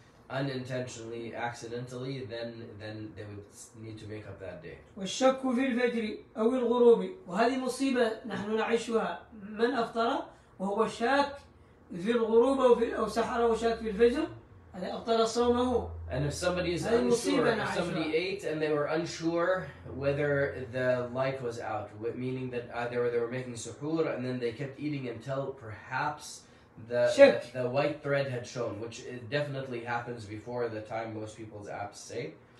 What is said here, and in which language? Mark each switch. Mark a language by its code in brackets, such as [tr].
[en] Unintentionally, accidentally, then they would need to make up that day. [ar] والشك في الفجر أو الغروب وهذه مصيبة نحن نعيشها من أفطر وهو شاك في الغروب أو سحر وشاك في الفجر هذا أفطر صومه. [en] And if somebody is unsure, if somebody ate and they were unsure whether the light was out, meaning that either they were making suhoor and then they kept eating until perhaps the white thread had shown, which definitely happens before the time most people's apps say.